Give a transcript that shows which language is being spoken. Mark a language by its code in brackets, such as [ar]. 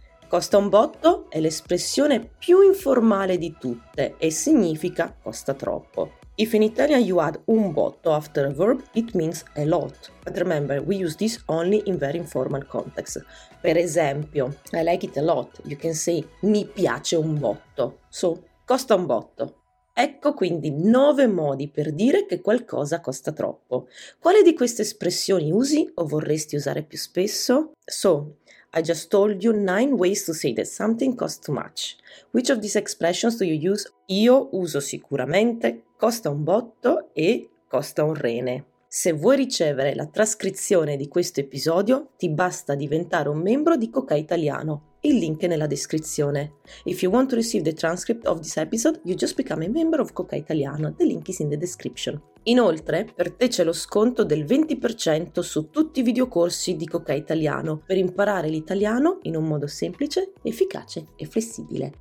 [it] Costa un botto è l'espressione più informale di tutte e significa costa troppo. [en] If in Italian you add [it] un botto [en] after a verb, it means a lot. But remember, we use this only in very informal context. [it] Per esempio, [en] I like it a lot. You can say, [it] mi piace un botto. [en] So, [it] costa un botto. Ecco quindi 9 modi per dire che qualcosa costa troppo. Quale di queste espressioni usi o vorresti usare più spesso? [en] So, I just told you 9 ways to say that something costs too much. Which of these expressions do you use? [it] Io uso sicuramente costa un botto e costa un rene. Se vuoi ricevere la trascrizione di questo episodio, ti basta diventare un membro di Cocai Italiano. Il link è nella descrizione. [en] If you want to receive the transcript of this episode, you just become a member of Cocai Italiano. The link is in the description. [it] Inoltre, per te c'è lo sconto del 20% su tutti i videocorsi di Cocai Italiano per imparare l'italiano in un modo semplice, efficace e flessibile.